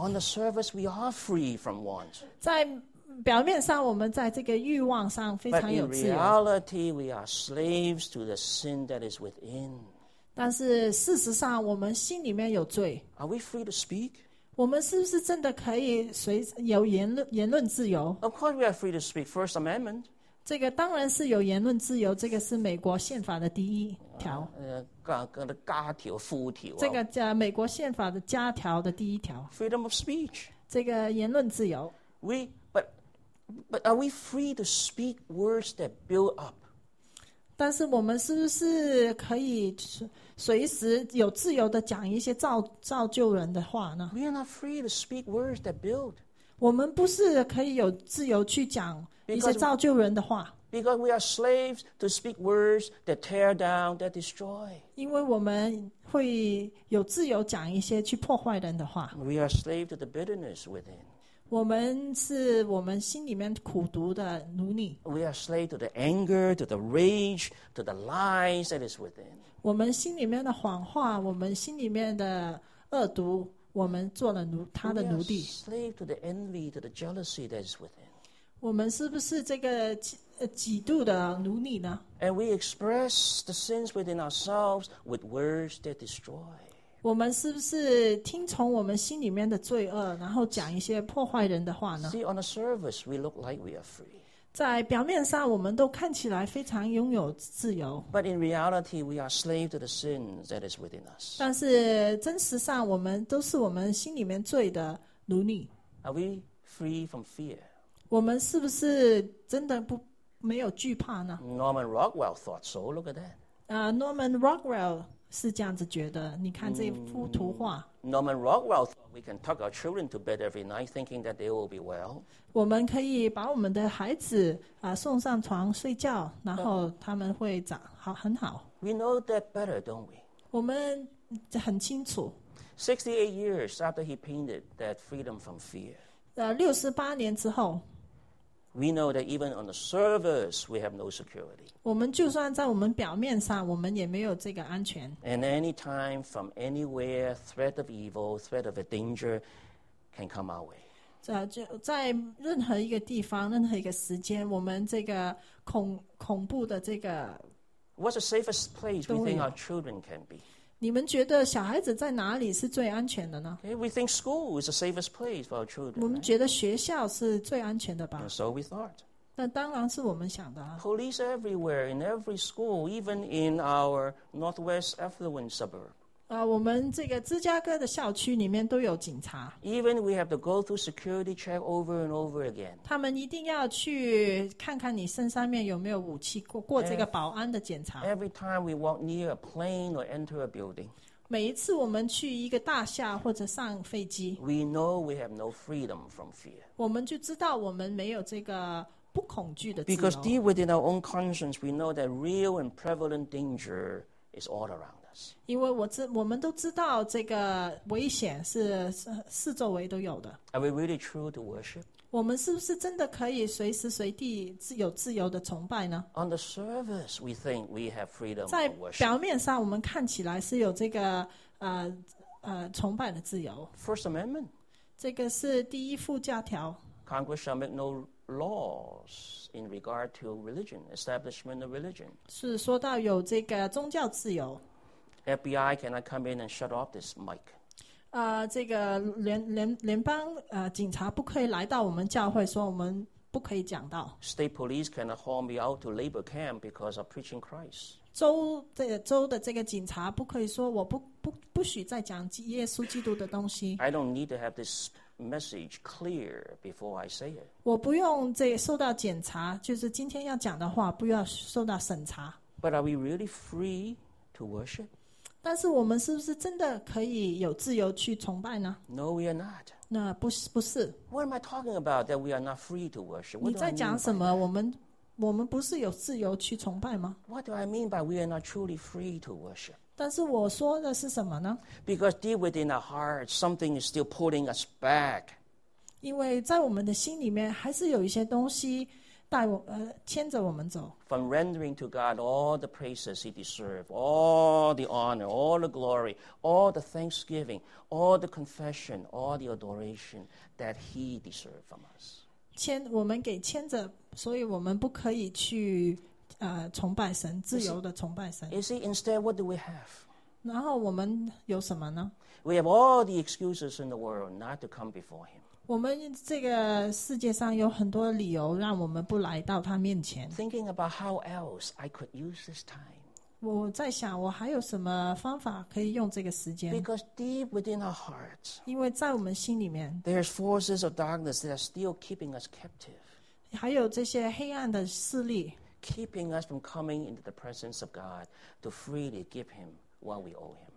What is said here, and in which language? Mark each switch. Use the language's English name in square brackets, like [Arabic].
[English] On the surface we are free from want. [Chinese] 在表面上我们在这个欲望上非常有自由 [English] But in reality we are slaves to the sin that is within. [Chinese] 但是事实上我们心里面有罪 [English] Are we free to speak? [Chinese] 我们是不是真的可以随有言论自由 [English] Of course we are free to speak. First Amendment. [Chinese] 这个当然是有言论自由，这个是美国宪法的第一条。加条。这个叫美国宪法的加条的第一条。 [English] Freedom of speech. [Chinese] 这个言论自由。 [English] But are we free to speak words that build up? [Chinese] 但是我们是不是可以随时有自由的讲一些造就人的话呢 [English] ？We are not free to speak words that build. [Chinese] 我们不是可以有自由去讲。 [English] Because we are slaves to speak words that tear down, that destroy. [Chinese] 因为我们会有自由讲一些去破坏人的话。 [English] We are slaves to the bitterness within. [Chinese] 我们是我们心里面苦毒的奴隶。 [English] We are slaves to the anger, to the rage, to the lies that is within. [Chinese] 我们心里面的谎话，我们心里面的恶毒，我们做了奴他的奴隶。 [English] We are slaves to the envy, to the jealousy that is within. [Chinese] 我们是不是这个嫉妒的奴隶呢 [English] ？And we express the sins within ourselves with words that destroy. [Chinese] 我们是不是听从我们心里面的罪恶，然后讲一些破坏人的话呢 [English] ？See on the surface, we look like we are free. [Chinese] 在表面上，我们都看起来非常拥有自由。 [English] But in reality, we are slaves to the sins that is within us. [Chinese] 但是真实上，我们都是我们心里面罪的奴隶。 [English] Are we free from fear? [Chinese] 我们是不是真的不没有惧怕呢 [English] ？Norman Rockwell thought so. Look at that. [Chinese] Norman Rockwell 是这样子觉得。你看这幅图画。 [English] Norman Rockwell thought we can tuck our children to bed every night, thinking that they will be well. [Chinese] 我们可以把我们的孩子送上床睡觉，然后他们会长好很好。 [English] We know that better, don't we? [Chinese] 我们很清楚。 [English] 68 years after he painted that freedom from fear. [Chinese] 68年之后 [English] we know that even on the surface we have no security. [Chinese] 我们就算在我们表面上，我们也没有这个安全。 [English] And any time from anywhere, threat of evil, threat of a danger can come our way. [Chinese] 在任何一个地方，任何一个时间，我们这个恐怖的这个 [English] What's the safest place we think our children can be? [Chinese] 你们觉得小孩子在哪里是最安全的呢 [English] okay, We think school is the safest place for our children [Chinese] 我们觉得学校是最安全的吧 [English] And so we thought [Chinese] 那当然是我们想的、啊、 [English] Police everywhere in every school Even in our northwest affluent suburb、 [Chinese] 我们这个芝加哥的校区里面都有警察 [English] Even we have to go through security check over and over again [Chinese] 他们一定要去看看你身上面有没有武器 过这个保安的检查 [English] Every time we walk near a plane or enter a building [Chinese] 每一次我们去一个大厦或者上飞机 [English] We know we have no freedom from fear [Chinese] 我们就知道我们没有这个不恐惧的自由 [English] Because deep within our own conscience We know that real and prevalent danger is all around [Chinese] 因为 我们都知道这个危险是四周围都有的 [English] Are we really true to worship? [Chinese] 我们是不是真的可以随时随地有自由的崇拜呢 [English] On the surface we think we have freedom [Chinese] 在表面上我们看起来是有这个崇拜的自由 [English] First Amendment [Chinese] 这个是第一附加条 [English] Congress shall make no laws in regard to religion establishment of religion [Chinese] 是说到有这个宗教自由 [English] FBI cannot come in and shut off this mic. [Chinese] 这个联邦警察不可以来到我们教会，说我们不可以讲道。 [English] State police cannot haul me out to labor camp because of preaching Christ. [Chinese] 州的这个警察不可以说我不许再讲耶稣基督的东西。 [English] I don't need to have this message clear before I say it. [Chinese] 我不用这受到检查，就是今天要讲的话不要受到审查。 [English] But are we really free? to worship? [Chinese] 但是我们是不是真的可以有自由去崇拜呢？ [English] No, we are not. [Chinese] 那不是，不是。 [English] What am I talking about that we are not free to worship? [Chinese] 你在讲什么？我们不是有自由去崇拜吗？ [English] What do I mean by we are not truly free to worship? [Chinese] 但是我说的是什么呢？ [English] Because deep within our hearts, something is still pulling us back. [Chinese] 因为在我们的心里面还是有一些东西带我牵着我们走 [English] from rendering to God all the praises he deserves, all the honor, all the glory, all the thanksgiving, all the confession, all the adoration that he deserves from us. [Chinese] 我们给牵着，所以我们不可以去崇拜神，自由的崇拜神。 [English] You see, instead, what do we have? [Chinese] 然后我们有什么呢？ [English] We have all the excuses in the world not to come before him. [Chinese] 我们这个世界上有很多理由让我们不来到他面前。 [English] Thinking about how else I could use this time. [Chinese] 我在想我还有什么方法可以用这个时间。 [English] Because deep within our hearts. [Chinese] 因为在我们心里面。 [English] There's forces of darkness that are still keeping us captive. [Chinese] 还有这些黑暗的势力。 [English] Keeping us from coming into the presence of God to freely give him what we owe him.